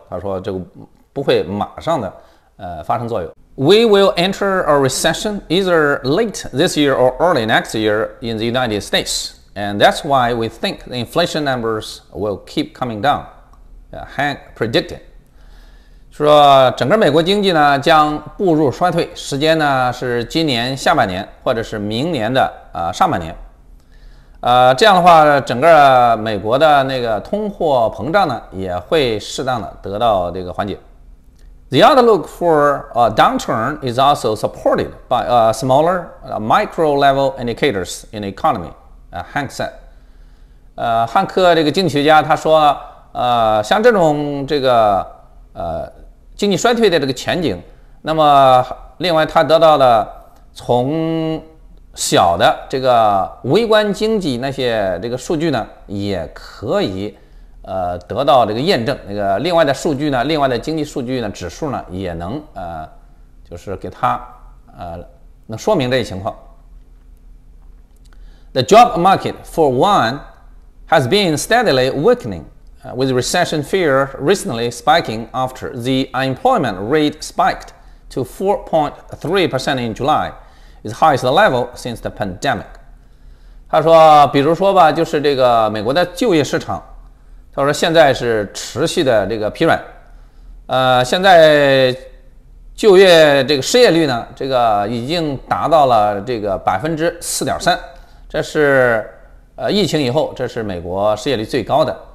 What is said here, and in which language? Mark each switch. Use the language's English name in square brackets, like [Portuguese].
[Chinese] 他说，这个不会马上的发生作用。 [English] We will enter a recession either late this year or early next year in the United States, and that's why we think the inflation numbers will keep coming down. Hank predicted， [Chinese] 说整个美国经济呢将步入衰退，时间呢是今年下半年或者是明年的上半年。这样的话，整个美国的那个通货膨胀呢也会适当的得到这个缓解。 [English] The outlook for a downturn is also supported by smaller micro-level indicators in the economy, Hank said. [Chinese] 汉克这个经济学家他说，像这种这个经济衰退的这个前景，那么另外他得到了从小的这个微观经济那些这个数据呢，也可以得到这个验证，那个另外的数据呢，另外的经济数据呢，指数呢，也能就是给他能说明这些情况。 [English] The job market, for one, has been steadily weakening, with recession fear recently spiking after the unemployment rate spiked to 4.3% in July, its highest level since the pandemic. [Chinese] 他说，比如说吧，就是这个美国的就业市场。他说现在是持续的这个疲软，现在就业这个失业率呢，这个已经达到了这个 4.3%， 这是疫情以后这是美国失业率最高的。